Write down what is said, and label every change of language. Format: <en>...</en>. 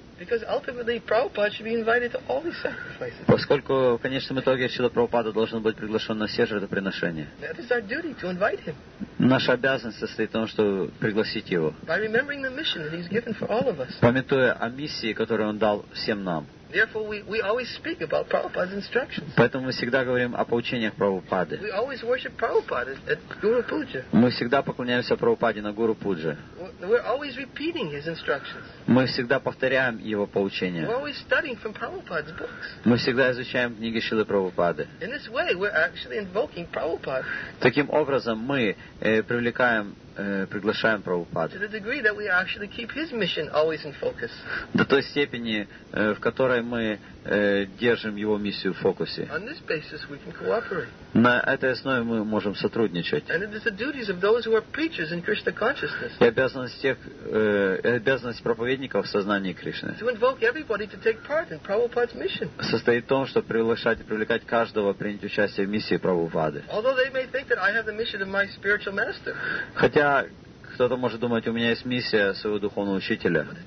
<en>Because ultimately, Prabhupada should be invited to all the sacrifices.</en> <ru>Поскольку в конечном итоге Шрила Прабхупада должен быть приглашен на все жертвоприношения.</ru> <en>That is our duty to invite him.</en> <ru>Наша обязанность состоит в том, чтобы пригласить его.</ru> <en>By remembering the mission that he's given for all of us.</en> <ru>Памятуя о миссии, которую он дал всем нам.</ru> <en>Therefore, we always speak about Prabhupada's instructions.</en> <ru>Поэтому мы всегда говорим о поучениях Прабхупады.</ru> <en>We always worship Prabhupada at Guru Puja.</en> <ru>Мы всегда поклоняемся Прабхупаде на Гуру Пудже.</ru> <en>We're always repeating his instructions.</en> <ru>Мы всегда повторяем его поучения.</ru> <en>We're always studying from Prabhupada's books.</en> <ru>Мы всегда изучаем книги Шрилы Прабхупады.</ru> <en>In this way, we're actually invoking Prabhupada.</en> <ru>Таким образом, мы привлекаем приглашаем Прабхупаду.</ru> <en>To the degree that we actually keep his mission always in focus.</en> <ru>До той степени, в которой мы держим его миссию в фокусе.</ru> <en>On this basis we can cooperate.</en> <ru>На этой основе мы можем сотрудничать.</ru> <en>And it is the duties of those who are preachers in Krishna consciousness.</en> <ru>И обязанность тех, обязанность проповедников в сознании Кришны.</ru> <en>To invoke everybody to take part in Prabhupada's mission.</en> <ru>Состоит в том, чтобы приглашать и привлекать каждого принять участие в миссии Прабхупады.</ru> <en>Although they may think that I have the mission of my spiritual master.</en> <ru>Хотя кто-то может думать, у меня есть миссия своего духовного учителя.</ru>